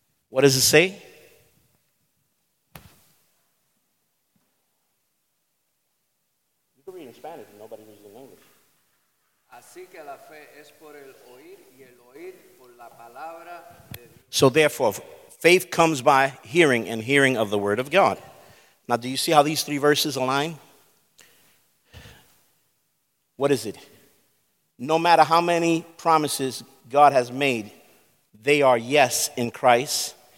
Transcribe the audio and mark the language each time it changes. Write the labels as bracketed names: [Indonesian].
[English] What does it say? You can read in Spanish and nobody reads in English. [Spanish] Así que la fe es por el oír y el oír por la palabra de Dios. [English] So therefore, faith comes by hearing and hearing of the word of God. Now, do you see how these three verses align? What is it? No matter how many promises God has made, they are yes in Christ.